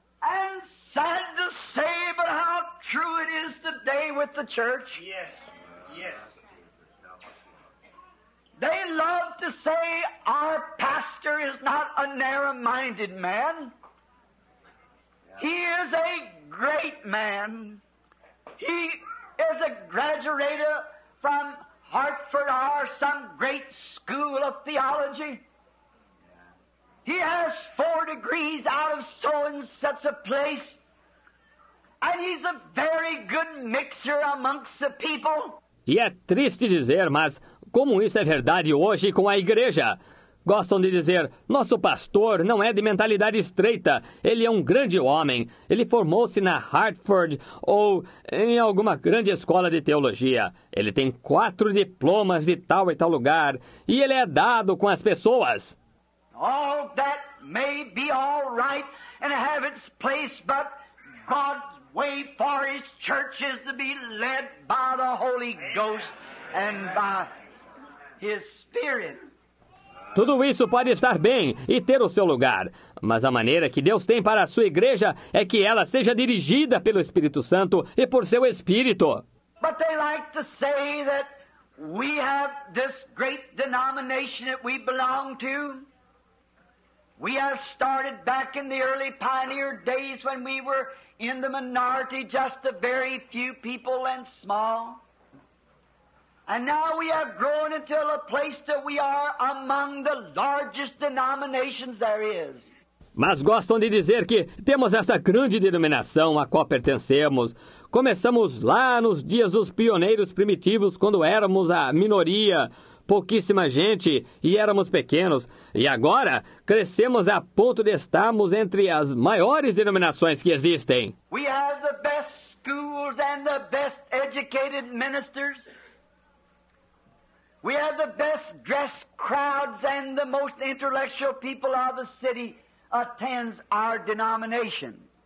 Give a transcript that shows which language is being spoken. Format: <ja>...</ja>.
<en>And sad to say, but how true it is today with the church. Yes, yes. They love to say our pastor is not a narrow-minded man. He is a great man. He is a graduate from Hartford or some great school of theology. He has 4 degrees out of so and such a place. And he's a very good mixer amongst the people.</en> <pt>E é triste dizer, mas como isso é verdade hoje com a igreja? Gostam de dizer, nosso pastor não é de mentalidade estreita, ele é um grande homem, ele formou-se na Hartford ou em alguma grande escola de teologia. Ele tem 4 diplomas de tal e tal lugar e ele é dado com as pessoas.</pt> <en>All that may be all right and have its place, but God's way for his church is to be led by the Holy Ghost and by his Spirit.</en> <pt>Tudo isso pode estar bem e ter o seu lugar, mas a maneira que Deus tem para a sua igreja é que ela seja dirigida pelo Espírito Santo e por seu Espírito.</pt> <en>But they like to say that we have this great denomination that we belong to. We have started back in the early pioneer days when we were in the minority, just a very few people and small. And now we have grown until a place that we are among the largest denominations there is.</en> <pt>Mas gostam de dizer que temos essa grande denominação a qual pertencemos. Começamos lá nos dias dos pioneiros primitivos, quando éramos a minoria, pouquíssima gente, e éramos pequenos. E agora crescemos a ponto de estarmos entre as maiores denominações que existem.</pt> <en>We have the best schools and the best educated ministers. We have the best dressed crowds and the most intellectual people of the city attends our denomination.</en>